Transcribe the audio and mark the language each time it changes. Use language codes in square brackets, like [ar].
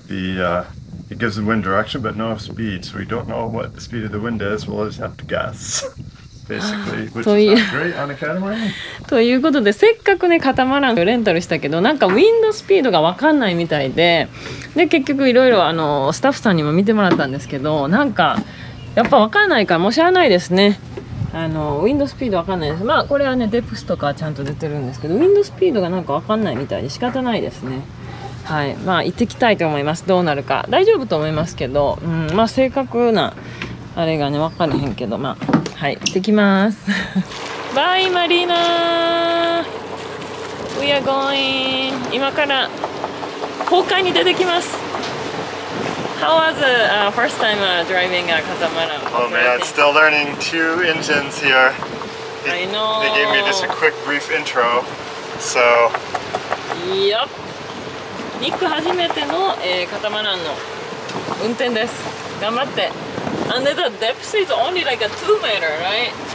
[en] It gives the wind direction but no speed. So we don't know what the speed of the wind is. We'll just have to guess. Basically, which is not great on a catamaran. [ja] ということで、せっかくね、カタマランをレンタルしたけど、なんかウィンドスピードが分かんないみたいで、で結局いろいろスタッフさんにも見てもらったんですけど、なんかやっぱ分かんないから、もう知らないですね。ウィンドスピード分かんないです。まあこれはね、デプスとかちゃんと出てるんですけど、ウィンドスピードがなんか分かんないみたいで仕方ないですね。はい、まあ行ってきたいと思います。どうなるか大丈夫と思いますけど、まあ正確なあれがね分かれへんけど、まあはい、行ってきます。 [en] バイマリーナー。We are going. [ja] 今から航海に出てきます。 [en] How was first time driving a catamaran? Oh man, I'm still learning two engines here. I know. They gave me just a quick brief intro. So. Yep. [ja] ニック初めてのカタマランの運転です。頑張って。 [en] And the depth is only like a 2 meter, right?